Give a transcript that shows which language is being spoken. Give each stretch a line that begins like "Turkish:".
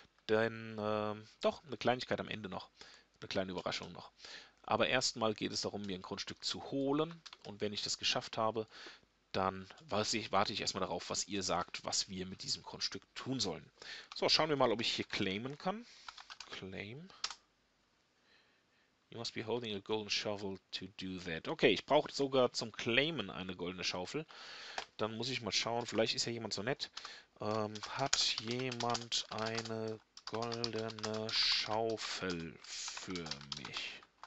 German: Denn doch, eine Kleinigkeit am Ende noch. Eine kleine Überraschung noch. Aber erstmal geht es darum, mir ein Grundstück zu holen. Und wenn ich das geschafft habe, dann warte ich erstmal darauf, was ihr sagt, was wir mit diesem Grundstück tun sollen. So, schauen wir mal, ob ich hier claimen kann.
English: Claim. You must be holding a golden shovel to do that.
German: Okay, ich brauche sogar zum Claimen eine goldene Schaufel. Dann muss ich mal schauen, vielleicht ist ja jemand so nett. Hat jemand eine goldene Schaufel für mich?